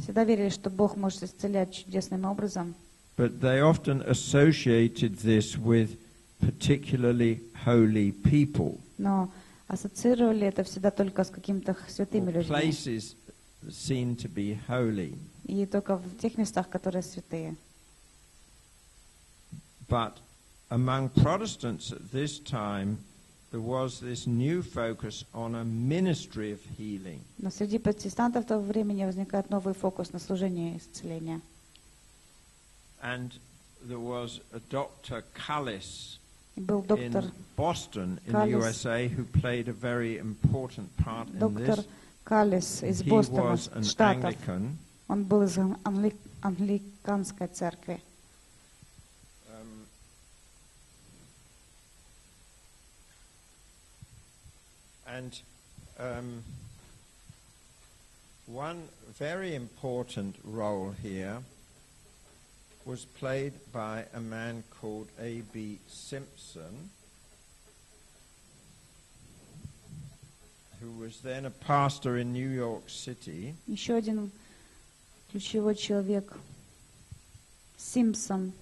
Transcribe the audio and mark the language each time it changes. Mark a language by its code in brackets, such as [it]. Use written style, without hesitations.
[ru] Всегда верили, что Бог может исцелять чудесным образом. [en] But they often associated this with particularly holy people. [ru] Но ассоциировали это всегда только с какими-то святыми людьми. [en] Places seen to be holy. [ru] И только в тех местах, которые святые. [en] But among Protestants at this time, there was this new focus on a ministry of healing. [ru] Но среди протестантов того времени возникает новый фокус на служение исцеления. [en] And there was a doctor Callis. [ru] Был доктор [en] Boston in the USA who played a very important part in this. [ru] Доктор Каллис из Бостона, штатов. Он был из англиканской церкви. [en] And one very important role here was played by a man called A.B. Simpson. Who was then a pastor in New York City? [ru] Еще один ключевой человек Симпсон.